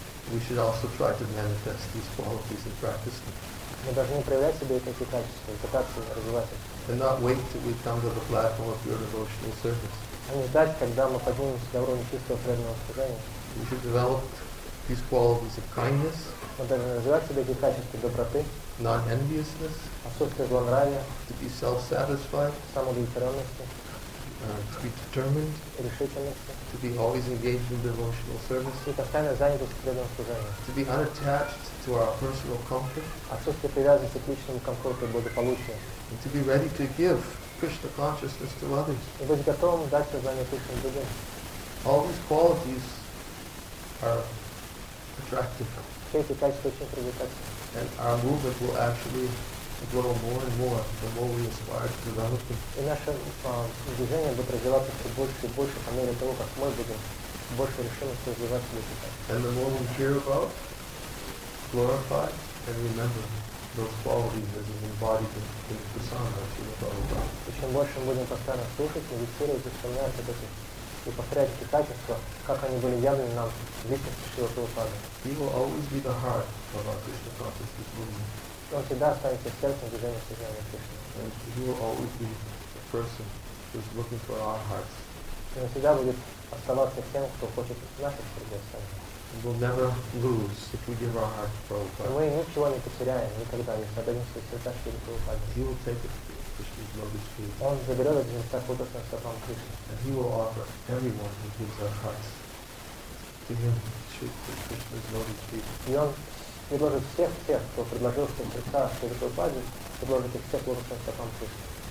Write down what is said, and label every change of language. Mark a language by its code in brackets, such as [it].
[en] We should also try to manifest these qualities and practice them. [ru] Мы должны проявлять себе эти качества, пытаться развивать их. [en] And not wait till we come to the platform of pure devotional service. [ru] А не ждать, когда мы поднимемся до уровня чистого преданного служения. [en] We should develop these qualities of kindness. [ru] Мы должны развивать себе эти качества доброты. [en] Non-enviousness. [ru] Отсутствие злонравия. [en] To be self-satisfied. [ru] Самоудовлетворенности. [en] To be determined. [ru] И решительности. [en] To be always engaged in devotional service. [ru] И постоянно занятость в преданном служении. [en] To be unattached to our personal comfort. [ru] Отсутствие привязанности к личному комфорту и благополучию. [en] And to be ready to give Krishna consciousness to others. [ru] И быть готовым дать сознание Кришне другим. [en] All these qualities are attractive. [ru] Все эти качества очень привлекательны. [en] And our movement will actually grow more and more the more we aspire to develop them. [ru] И наше движение будет развиваться все больше и больше по мере того, как мы будем больше решимости развиваться в эти качества. [en] And the more we hear about, glorify, and remember those qualities as an embodied in persona of Srila Prabhupada. [ru] И чем больше мы будем постоянно слушать, медитировать, вспоминать об этих и повторять эти качества, как они были явлены нам в личности Шрила Прабхупады. [en] He will always be the heart of our Krishna consciousness movement. [ru] Он всегда останется сердцем движения сознания Кришны. [en] And he will always be the person who is looking for our hearts. [ru] Он всегда будет оставаться тем, кто хочет наших сердец. [en] We'll never lose if we give our hearts to Prabhupada. [ru] Мы ничего не потеряем никогда, если отдадим свои сердца Шриле Прабхупаде. [en] He will take Krishna's lotus feet. [ru] Он заберет от Жениста Кудасна Сапам Кришна. [en] And he will offer everyone who gives our hearts to him Шри Кришна's lotus feet. [ru] И он предложит всех тех, кто предложил свои сердца Шриле Прабхупаде, предложит их всех Кудасна Сапам Кришна.